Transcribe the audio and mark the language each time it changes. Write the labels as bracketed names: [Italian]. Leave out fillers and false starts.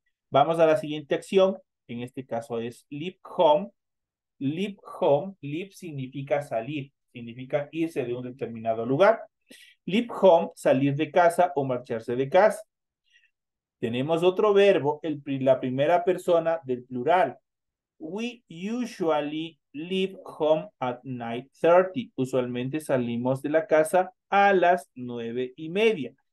[Spanish] Vamos a la siguiente acción, en este caso es [English] leap home. Leap home, [Spanish] leap significa salir, significa irse de un determinado lugar. [English] Leap home, [Spanish] salir de casa o marcharse de casa. Tenemos otro verbo, la primera persona del plural. [English] We usually leave home at 9:30. [Spanish] Usualmente salimos de la casa a las 9:30.